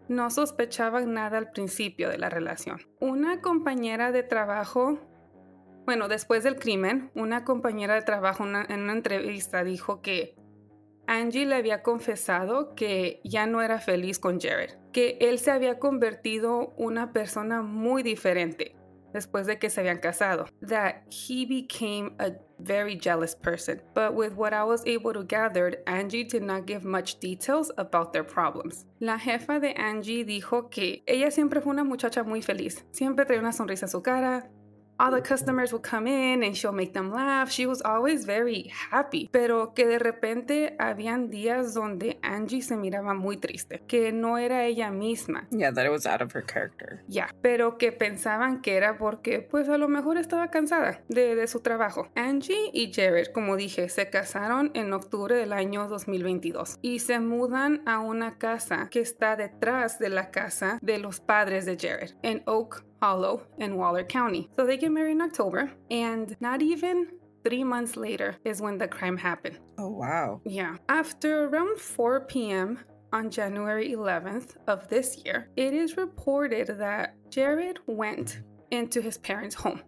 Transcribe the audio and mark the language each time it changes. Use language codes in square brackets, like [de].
[es] No sospechaban nada al principio de la relación. Una compañera de trabajo, bueno, después del crimen, una compañera de trabajo en una entrevista dijo que Anggy le había confesado que ya no era feliz con Jared, que él se había convertido una persona muy diferente después de que se habían casado. [en] That he became a very jealous person. But with what I was able to gather, Anggy did not give much details about their problems. [es] La jefa de Anggy dijo que ella siempre fue una muchacha muy feliz. Siempre traía una sonrisa en su cara. [en] All the customers would come in and she'll make them laugh. She was always very happy. [es] Pero que de repente habían días donde Anggy se miraba muy triste. Que no era ella misma. [en] Yeah, that it was out of her character. [es] Yeah, pero que pensaban que era porque pues a lo mejor estaba cansada de su trabajo. Anggy y Jared, como dije, se casaron en octubre del año 2022. Y se mudan a una casa que está detrás de la casa de los padres de Jared. En Oak Hollow in Waller County. [en] So they get married in October, and not even 3 months later is when the crime happened. Oh, wow. Yeah. After around 4 p.m. on January 11th of this year, it is reported that Jared went into his parents' home.